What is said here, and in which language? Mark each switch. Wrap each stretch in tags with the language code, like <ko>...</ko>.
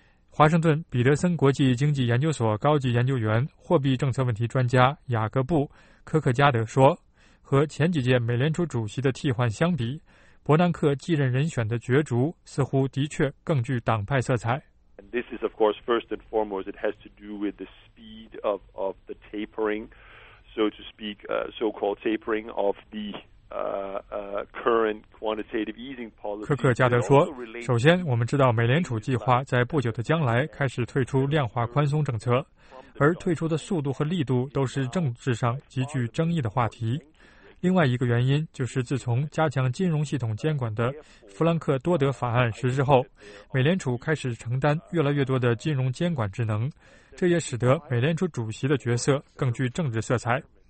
<zh>华盛顿彼得森国际经济研究所高级研究员、货币政策问题专家雅各布·科克加德说，和前几届美联储主席的替换相比，伯南克继任人选的角逐似乎的确更具党派色彩。</zh> <en>This is, of course, first and foremost, it has to do with the speed of the tapering, so to speak, so-called tapering of the current quantitative easing policy.</en> <zh>科克加德说，首先，我们知道美联储计划在不久的将来开始退出量化宽松政策，而退出的速度和力度都是政治上极具争议的话题。另外一个原因就是自从加强金融系统监管的弗兰克多德法案实施后，美联储开始承担越来越多的金融监管职能，这也使得美联储主席的角色更具政治色彩。</zh>